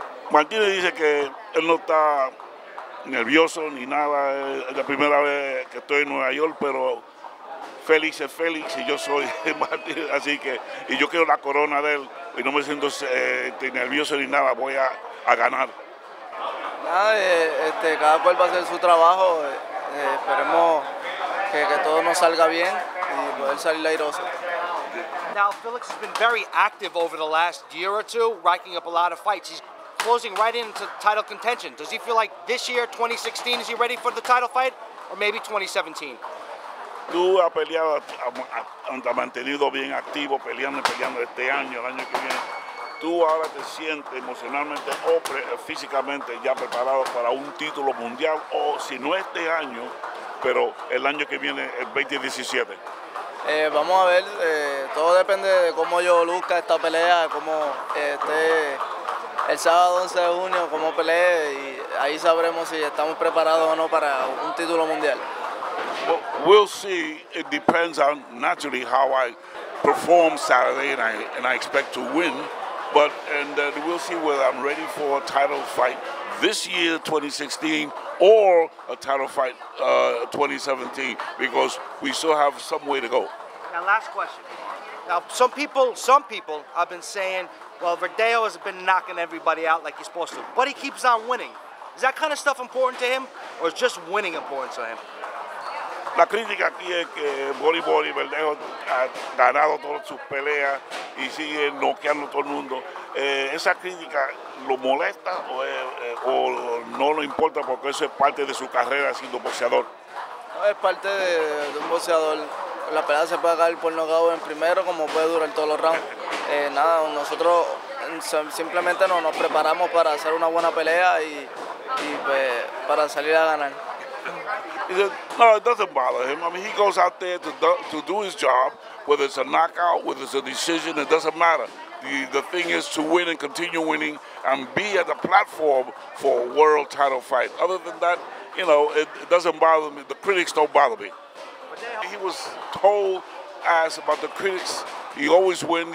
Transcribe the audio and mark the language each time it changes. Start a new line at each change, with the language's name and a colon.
Spanish: Martínez dice que él no está nervioso ni nada, es la primera vez que estoy en Nueva York, pero Félix es Félix y yo soy Martínez, así que, y yo quiero la corona de él y no me siento nervioso ni nada, voy a ganar. Nada, cada cual va a hacer su trabajo, esperemos que todo nos salga bien y poder salir airoso.
English: Now, Felix has been very active over the last year or two, racking up a lot of fights. He's closing right into title contention. Does he feel like this year, 2016, is he ready for the title fight, or maybe 2017?
Spanish: Tú has peleado, has mantenido bien activo, peleando este año, el año que viene. ¿Tú ahora te sientes emocionalmente o físicamente ya preparado para un título mundial, o si no este año, pero el año que viene, el 2017? Vamos a ver, todo depende de cómo yo luzca esta pelea, cómo esté el sábado 11 de junio, cómo pelee, y ahí sabremos si estamos preparados o no para un título mundial.
English: Well, we'll see, it depends on naturally how I perform Saturday, and I expect to win, but and we'll see whether I'm ready for a title fight this year, 2016, or a title fight 2017, because we still have some way to go. Now, last question. Now, some people have been saying, well, Verdejo has been knocking everybody out like he's supposed to, but he keeps on winning. Is that kind of stuff important to him, or is just winning important to him?
Spanish: La crítica aquí es que Bori Verdejo ha ganado todas sus peleas y sigue noqueando todo el mundo. ¿Esa crítica lo molesta o no le importa porque eso es parte de su carrera siendo boxeador? No, es parte de un boxeador. La pelea se puede acabar por nocaut en primero, como puede durar todos los rounds. Nosotros simplemente nos preparamos para hacer una buena pelea y para salir a ganar.
English: He said, no, it doesn't bother him. I mean, he goes out there to do his job, whether it's a knockout, whether it's a decision, it doesn't matter. The thing is to win and continue winning and be at the platform for a world title fight. Other than that, you know, it doesn't bother me. The critics don't bother me. He was told, asked about the critics. He always wins.